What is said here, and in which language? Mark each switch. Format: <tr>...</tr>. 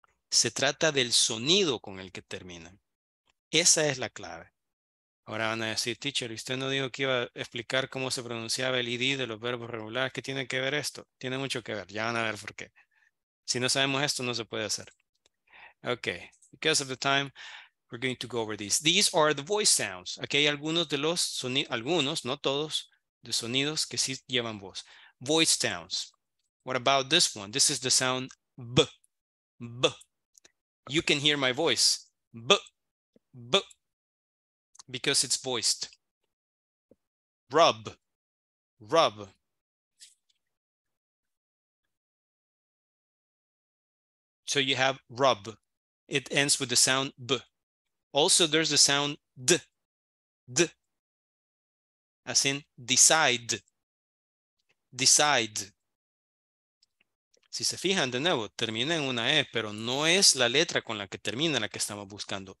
<es>Se trata del sonido con el que terminan. Esa es la clave. Ahora van a decir, teacher, usted no dijo que iba a explicar cómo se pronunciaba el ID de los verbos regulares. ¿Qué tiene que ver esto? Tiene mucho que ver, ya van a ver por qué. Si no sabemos esto, no se puede hacer.</es> <en>Okay, because of the time, we're going to go over these. These are the voice sounds.</en> <es>Aquí hay algunos de los sonidos, algunos, no todos, de sonidos que sí llevan voz.</es> <en>Voice sounds. What about this one? This is the sound b, b. You can hear my voice, b, b, because it's voiced. Rub, rub. So you have rub. It ends with the sound b. Also, there's the sound d, d, as in decide, decide.</en> <es>Si se fijan de nuevo, termina en una E, pero no es la letra con la que termina la que estamos buscando.</es>